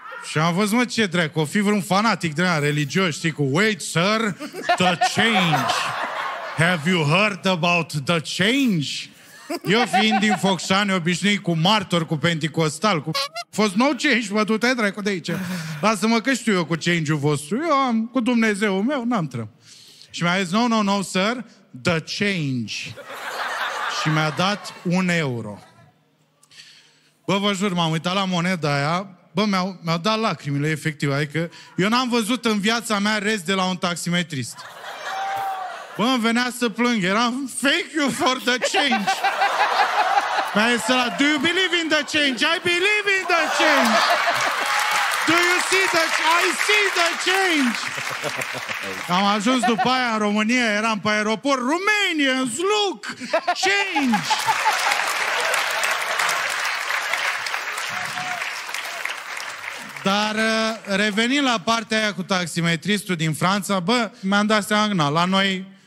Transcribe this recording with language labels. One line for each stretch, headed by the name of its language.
Romanian: Și am văzut, mă, ce dracu, o fi vreun fanatic de-aia religios, știi, cu
English: wait sir, the change. Have you heard about the change?
Romanian: Eu fiind din Focșani, obișnuit cu martor, cu penticostal, cu... A fost nou change, mă, du-te, dracu, de aici. Lasă-mă că știu eu cu change-ul vostru. Eu am, cu Dumnezeu meu, n-am treabă. Și mi-a zis,
English: no, no, no, sir, the change.
Romanian: Și mi-a dat un euro. Bă, vă jur, m-am uitat la moneda aia, bă, mi-au dat lacrimile, efectiv. Adică eu n-am văzut în viața mea rest de la un taximetrist. Bă, îmi venea să plâng. Eram,
English: thank you for the change.
Romanian: Mi-a zis ăla,
English: do you believe in the change? I believe in the change. Do you see the change? I see the change.
Romanian: Am ajuns după aia în România, eram pe aeroport.
English: Romanians, look, change.
Romanian: Dar revenind la partea aia cu taximetristul din Franța, bă, mi-am dat seama, na, la noi...